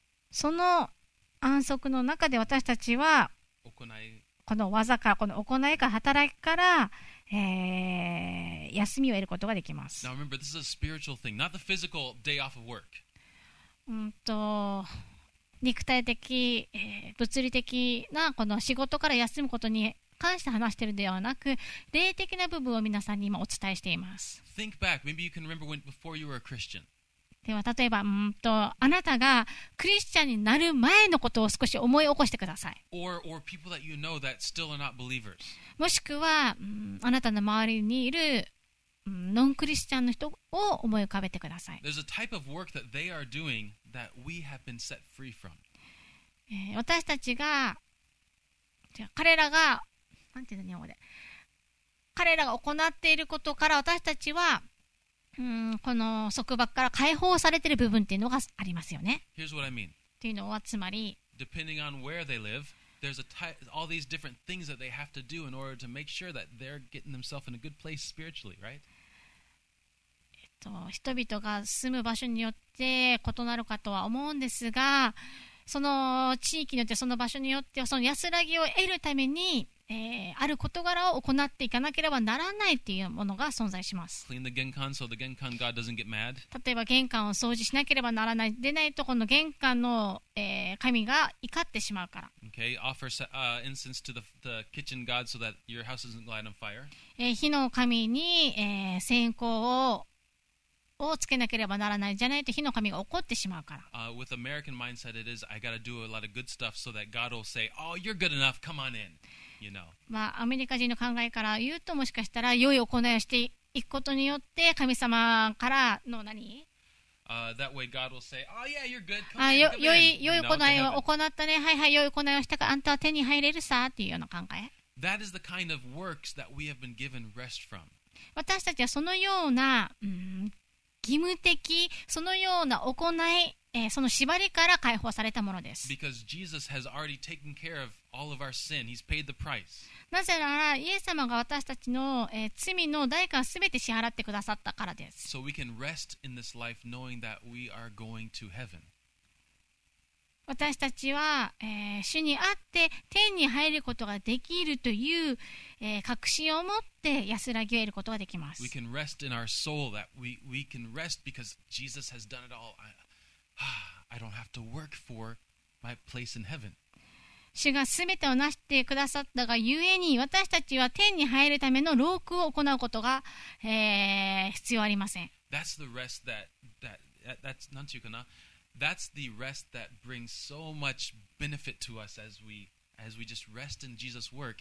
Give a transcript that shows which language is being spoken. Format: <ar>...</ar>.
<ja>その安息の中で私たちはこの技か、この行いか、働きから、休みを得ることができます。</ja> <en>Now remember, this is a spiritual thing, not the physical day off of work.</en> <ja>肉体的、物理的なこの仕事から休むことに関して話しているのではなく、霊的な部分を皆さんに今お伝えしています。</ja> <en>Think back. Maybe you can remember when, before you were a Christian.</en> <ja>では例えば、あなたがクリスチャンになる前のことを少し思い起こしてください。</ja> <en>Or people that you know that still are not believers.</en> <ja>もしくは、あなたの周りにいるノンクリスチャンの人を思い浮かべてください。</ja> <en>There's a type of work that they are doing that we have been set free from.</en> <ja>私たちが、彼らが、なんていうの日本語で、彼らが行っていることから私たちは、この束縛から解放されている部分っていうのがありますよね。</ja> <en>Here's what I mean.</en> <ja>っていうのはつまり、</ja> <en>depending on where they live, there's a type, all these different things that they have to do in order to make sure that they're getting themselves in a good place spiritually, right?</en> <ja>人々が住む場所によって異なるかとは思うんですが、その地域によってその場所によってはその安らぎを得るために、ある事柄を行っていかなければならないというものが存在します。例えば玄関を掃除しなければならない、でないとこの玄関の、神が怒ってしまうから。火の神に、線香をつけなければならない、じゃないと火の神が怒ってしまうから。</ja> <en>With American mindset, it is, I gotta do a lot of good stuff so that God will say, oh, you're good enough, come on in. You know.</en> <ja>まあ、アメリカ人の考えから言うと、もしかしたら良い行いをしていくことによって、神様からの何？</ja> <en>That way God will say, oh, yeah, you're good, come on, come on.</en> <ja>良い行いを行ったね、はいはい、良い行いをしたから、あんたは手に入れるさ、っていうような考え。</ja> <en>That is the kind of works that we have been given rest from.</en> <ja>私たちはそのような、義務的、そのような行い、その縛りから解放されたものです。なぜなら、イエス様が私たちの、罪の代価をすべて支払ってくださったからです。</ja> <en>So we can rest in this life knowing that we are going to heaven.</en> <ja>私たちは、主にあって天に入ることができるという、確信を持って安らぎを得ることができます。</ja> <en>We can rest in our soul that we can rest because Jesus has done it all. I don't have to work for my place in heaven.</en> <ja>主がすべてを成してくださったがゆえに、私たちは天に入るための労苦を行うことが、必要ありません。</ja> <en>That's the rest that's</en> <ja>なんていうかな。</ja> <en>That's the rest that brings so much benefit to us as we just rest in Jesus' work.</en>